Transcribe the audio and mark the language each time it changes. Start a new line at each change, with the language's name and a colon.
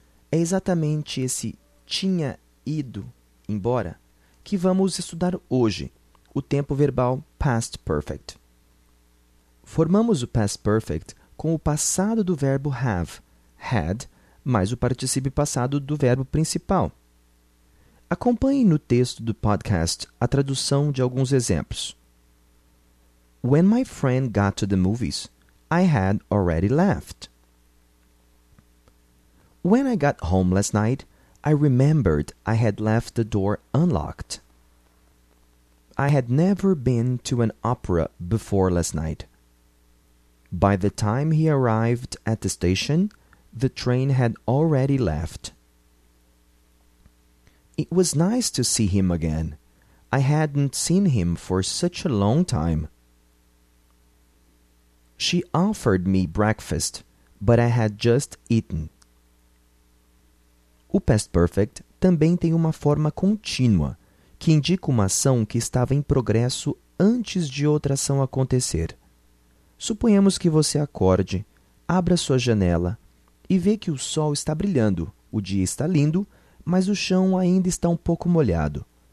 Portuguese: É exatamente esse tinha ido embora que vamos estudar hoje, o tempo verbal past perfect. Formamos o past perfect com o passado do verbo have, had, mais o particípio passado do verbo principal. Acompanhe no texto do podcast a tradução de alguns exemplos.
English: When my friend got to the movies, I had already left. When I got home last night, I remembered I had left the door unlocked. I had never been to an opera before last night. By the time he arrived at the station, the train had already left. It was nice to see him again. I hadn't seen him for such a long time. She offered me breakfast, but I had just eaten.
Portuguese: O past perfect também tem uma forma contínua, que indica uma ação que estava em progresso antes de outra ação acontecer. Suponhamos que você acorde, abra sua janela e vê que o sol está brilhando, o dia está lindo, mas o chão ainda está um pouco molhado.